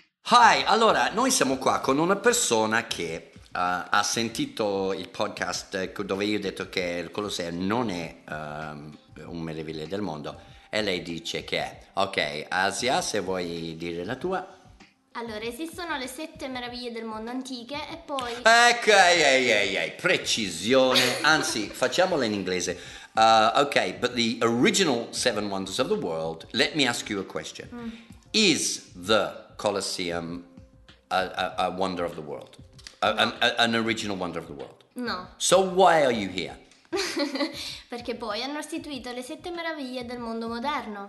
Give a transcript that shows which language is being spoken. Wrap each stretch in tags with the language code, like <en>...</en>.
<it>Hi, allora, noi siamo qua con una persona che ha sentito il podcast dove io ho detto che il Colosseo non è un meraviglia del mondo e lei dice che è. Ok, Asia, se vuoi dire la tua. Ecco, Allora, esistono le sette meraviglie del mondo antiche e poi. ehi, precisione. Anzi, facciamola in inglese.</it> <en>Ok, but the original seven wonders of the world, let me ask you a question. Is the Colosseum, a wonder of the world, an original wonder of the world. No. So why are you here?</en> <it>Perché poi hanno istituito le sette meraviglie del mondo moderno.</it>